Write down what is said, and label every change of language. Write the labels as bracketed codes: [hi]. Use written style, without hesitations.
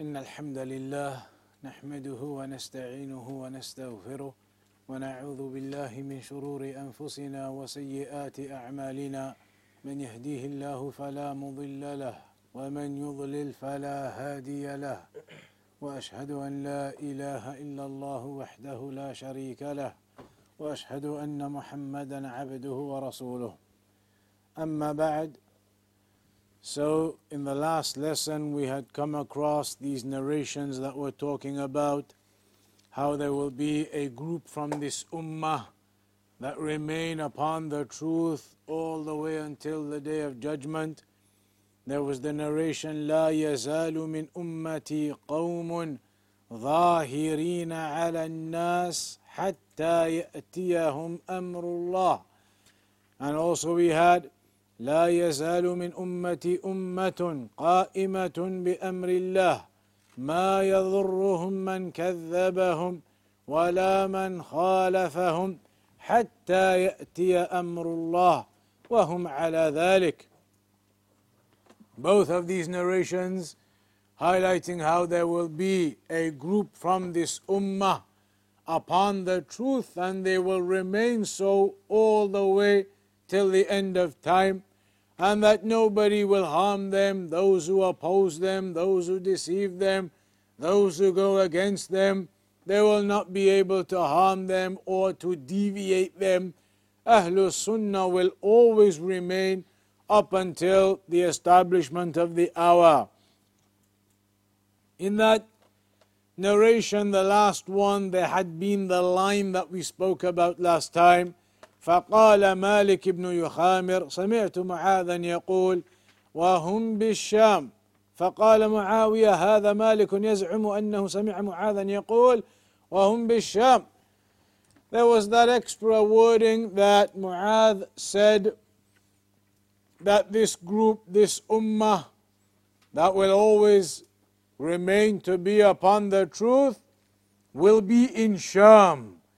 [ar] إن الحمد لله نحمده ونستعينه ونستغفره ونعوذ بالله من شرور أنفسنا وسيئات أعمالنا من يهديه الله فلا مضل له ومن يضلل فلا هادي له وأشهد أن لا إله إلا الله وحده لا شريك له وأشهد أن محمدا عبده ورسوله أما بعد. [en] So in the last lesson we had come across these narrations that were talking about how there will be a group from this ummah that remain upon the truth all the way until the day of judgment. There was the narration, [ar] لا يزال من أمتي قوم ظاهرين على الناس حتى يأتيهم أمر الله. [en] And also we had, [ar] لا يزال من أمتي أمة قائمة بأمر الله ما يضرهم من كذبهم ولا من خالفهم حتى يأتي أمر الله وهم على ذلك. [en] Both of these narrations highlighting how there will be a group from this ummah upon the truth, and they will remain so all the way till the end of time, and that nobody will harm them, those who oppose them, those who deceive them, those who go against them, they will not be able to harm them or to deviate them. Ahlus Sunnah will always remain up until the establishment of the hour. In that narration, the last one, there had been the line that we spoke about last time. [ar] فقال مالك بن يخامر سمعت معاذا يقول وهم بالشام فقال معاوية هذا مالك يزعم أنه سمع معاذا يقول وهم بالشام. [en] There was that extra wording that Mu'adh said that this group, this ummah that will always remain to be upon the truth will be in Sham.